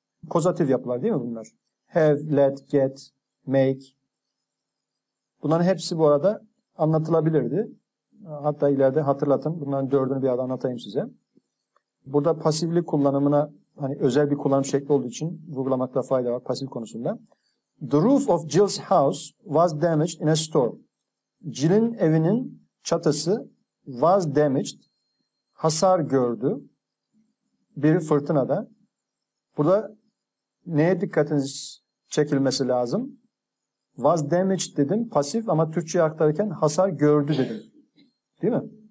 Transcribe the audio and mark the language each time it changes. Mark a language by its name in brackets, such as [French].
[Turkish] Kozatif yapılar değil mi bunlar? Have, let, get, make. Bunların hepsi bu arada anlatılabilirdi. Hatta ileride hatırlatın. Bunların dördünü bir arada anlatayım size. Burada pasivlik kullanımına, hani özel bir kullanım şekli olduğu için vurgulamakta fayda var pasif konusunda. [English] The roof of Jill's house was damaged in a storm. [Turkish] Jill'in evinin çatısı [English] was damaged, [Turkish] hasar gördü bir fırtınada. Burada neye dikkatiniz çekilmesi lazım? [English] Was damaged [Turkish] dedim, pasif, ama Türkçe'ye aktarırken hasar gördü dedim. Değil mi?